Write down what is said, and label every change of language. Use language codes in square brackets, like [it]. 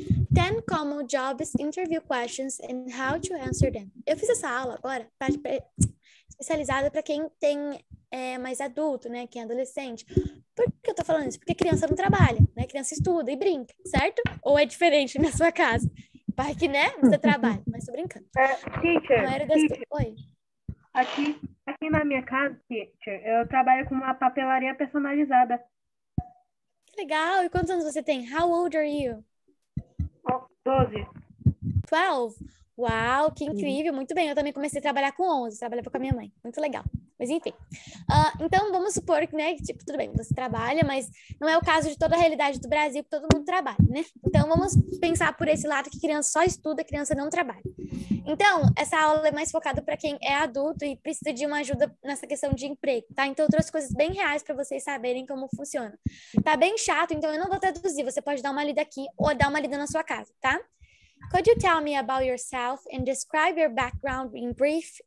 [en] 10 common jobs interview questions and how to answer them. [pt] Eu fiz essa aula agora especializada para quem tem mais adulto, né? Quem é adolescente. Por que eu tô falando isso? Porque criança não trabalha, né? Criança estuda e brinca, certo? Ou é diferente na sua casa? Vai que, né? Você trabalha, mas tô brincando. Teacher, Oi? Aqui na minha casa, teacher, eu trabalho com uma papelaria personalizada. Que legal! E quantos anos você tem? [en] How old are you? 12. [pt] 12? Uau, que incrível. Muito bem, eu também comecei a trabalhar com 11, trabalhava com a minha mãe. Muito legal. Mas enfim. Então, vamos supor que, né, tipo, tudo bem, você trabalha, mas não é o caso de toda a realidade do Brasil, que todo mundo trabalha, né? Então, vamos pensar por esse lado que criança só estuda, criança não trabalha. Então, essa aula é mais focada para quem é adulto e precisa de uma ajuda nessa questão de emprego, tá? Então, eu trouxe coisas bem reais para vocês saberem como funciona. Tá bem chato, então eu não vou traduzir, você pode dar uma lida aqui ou dar uma lida na sua casa, tá? [en] Could you tell me about yourself and describe your background in brief?